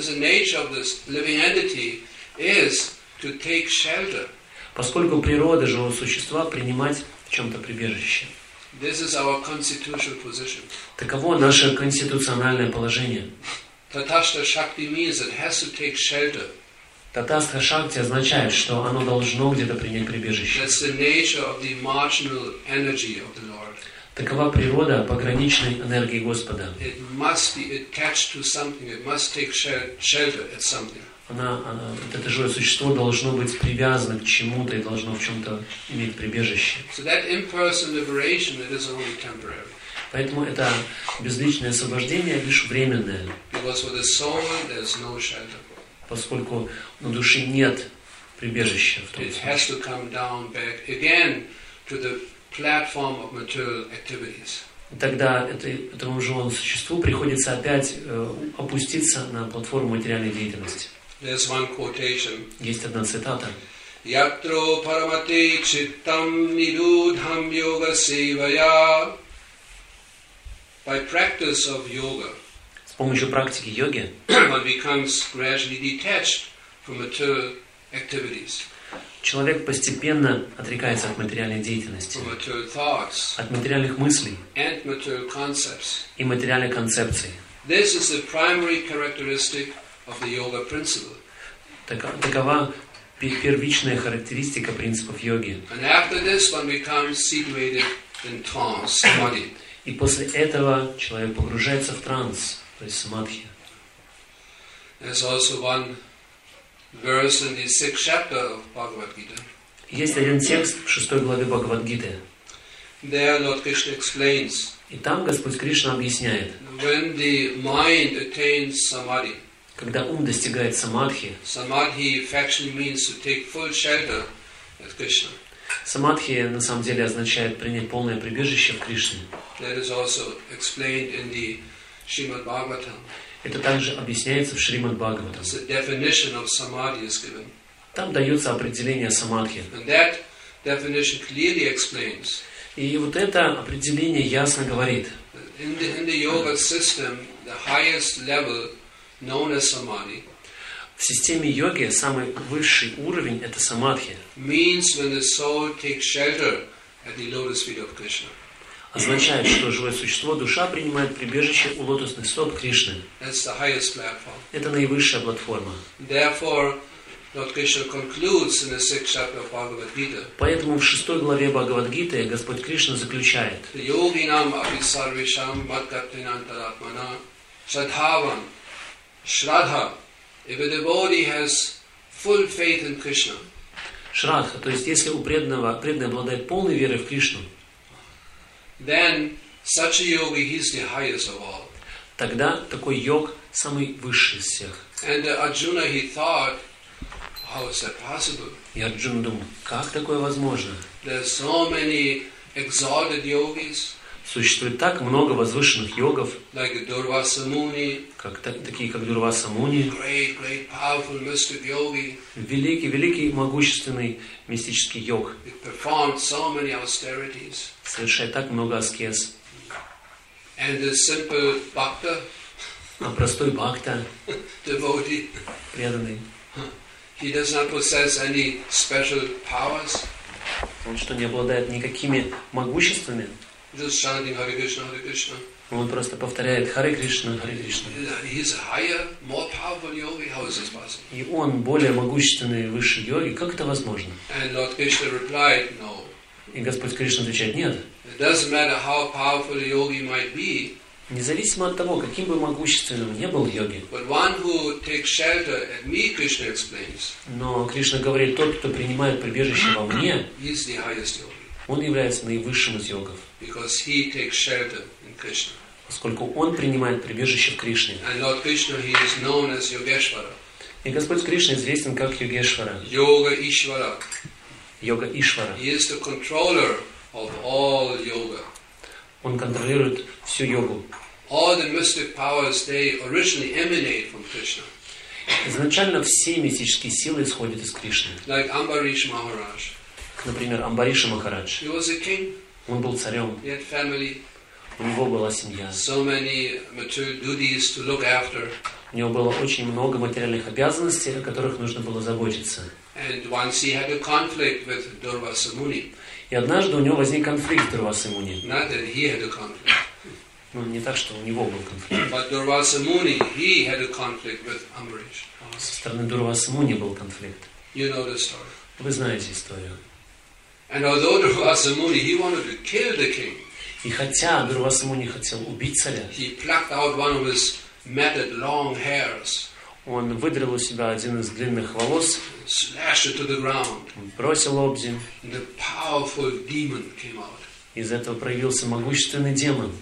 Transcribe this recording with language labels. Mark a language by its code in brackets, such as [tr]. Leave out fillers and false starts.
[en] The nature of this living entity is to take shelter. [ru] Поскольку природа живого существа принимать в чем-то прибежище. [en] This is our constitutional position. [ru] Таково наше конституциональное положение. [en] Tathastha Shakti means it has to take shelter. [ru] Татастха Шакти означает, что оно должно где-то принять прибежище. [en] That's the nature of the marginal energy of the Lord. [ru] Такова природа пограничной энергии Господа. [en] It must be attached to something. It must take shelter at something. [ru] Это живое существо должно быть привязано к чему-то и должно в чем-то иметь прибежище. [en] So that impersonal liberation, it is only temporary. [ru] Поэтому это безличное освобождение лишь временное. [en] Because for the soul, there is no shelter. [ru] Поскольку на душе нет прибежища в том смысле. [en] It has to come down back again to the platform of material activities. [ru] Тогда этому живому существу приходится опять опуститься на платформу материальной деятельности. [en] There's one quotation. [ru] Есть одна цитата. [sa] Yatro paramate chittam nirudham yoga sevaya. [en] By practice of yoga. [ru] С помощью практики йоги [en] one becomes gradually detached from material activities. [ru] Человек постепенно отрекается от материальной деятельности, [en] from material thoughts, [ru] от материальных мыслей [en] and material concepts. [ru] И материальной концепции. [en] This is the primary characteristic of the yoga principle. [ru] Такова первичная характеристика принципов йоги. [en] And after this one becomes situated in trance, samadhi. [ru] И после этого человек погружается в транс. [en] There's also one verse in the sixth chapter of Bhagavad Gita. [ru] Есть один текст в шестой главе Бхагавад Гиты. [en] There Lord Krishna explains. [ru] И там Господь Кришна объясняет. [en] When the mind attains samadhi. [ru] когда ум достигает самадхи. [en] Самадхи actually means to take full shelter at Krishna. [ru] Самадхи на самом деле означает принять полное прибежище в Кришне. [en] That is also explained in the Shrimad Bhagavatam. [ru] Это также объясняется в Шримад Бхагаватам. [en] The definition of samadhi is given. [ru] Там дается определение самадхи. [en] And that definition clearly explains. [ru] И вот это определение ясно говорит. [en] In the yoga system, the highest level known as samadhi. [ru] В системе йоги самый высший уровень это самадхи. [en] Means when the soul takes shelter at the lotus feet of Krishna. [ru] Означает, что живое существо, душа, принимает прибежище у лотосных стоп Кришны. [en] That's the highest platform. [ru] Это наивысшая платформа. [en] Therefore, Lord Krishna concludes in the sixth chapter of Bhagavad Gita. [ru] Поэтому в шестой главе Бхагавад Гиты Господь Кришна заключает. [sa] Йогинам абисарвишам маткатинантаратмана садхаван шрадха. [en] If a devotee has full faith in Krishna. [ru] Шрадха, то есть если у преданного обладает полной верой в Кришну. [en] Then such a yogi he is the highest of all. [ru] Тогда такой йог самый высший из всех. [en] And Arjuna he thought, how is that possible? [ru] И Арджуна думал, как такое возможно? [en] There are so many exalted yogis. [ru] Существует так много возвышенных йогов, [en] like Durvasa Muni, [ru] такие как Дурваса Муни, [en] great, great, powerful mystic yogi, [ru] великий, великий, могущественный мистический йог, [en] performed so many austerities, [ru] совершает так много аскез. [en] And a simple bhakta, [ru] а простой бхакта, [en] devotee, [ru] преданный, [en] he does not possess any special powers. [ru] Он что, не обладает никакими могущественными? [en] Just chanting Hare Krishna, Hare Krishna. [ru] Он просто повторяет Hare Krishna, Hare Krishna. [en] He is higher, more powerful yogi. How is this possible? [ru] И он более могущественный, высший йоги. Как это возможно? [en] And Lord Krishna replied, No. [ru] И Господь Кришна отвечает, нет. [en] It doesn't matter how powerful a yogi might be. [ru] Независимо от того, каким бы могущественным ни был йоги. [en] But one who takes shelter at me, Krishna explains. [ru] Но Кришна говорит, тот, кто принимает прибежище во мне. [en] He is the highest yogi. [ru] Он является наивысшим из йогов. [en] Because he takes shelter in Krishna. [ru] Поскольку он принимает прибежище в Кришне. [en] And Lord Krishna, he is known as Yogeshwara. [ru] И Господь Кришна известен как Йогешвара. Йога Ишвара. Йога Ишвара. [en] He is the controller of all yoga. [ru] Он контролирует всю йогу. [en] All the mystic powers, they originally emanate from Krishna. [ru] Изначально все мистические силы исходят из Кришны. [en] Like Амбариш Махарадж. [ru] Например, Амбариша Махарадж. [en] He was a king. [ru] Он был царем. [en] He had family. [ru] У него была семья. [en] So many material duties to look after. [ru] У него было очень много материальных обязанностей, о которых нужно было заботиться. [en] And once he had a conflict with Durvasa Muni. [ru] И однажды у него возник конфликт с Дурвасой Муни. [en] Not that he had a conflict. [ru] Ну, не так, что у него был конфликт. [en] But Durvasa Muni, he had a conflict with Ambarish. [ru] Со стороны Дурвасы Муни был конфликт. [en] You know the story. [ru] Вы знаете историю. [en] And although Durvasa Muni, he wanted to kill the king. [ru] И хотя Дурвасы Муни хотел убить царя. [en] He plucked out one of his matted long hairs. [ru] Он выдрал у себя один из длинных волос. [en] Slashed it to the ground. [ru] Бросил об землю. [en] And the powerful demon came out. [ru] Из этого проявился могущественный демон.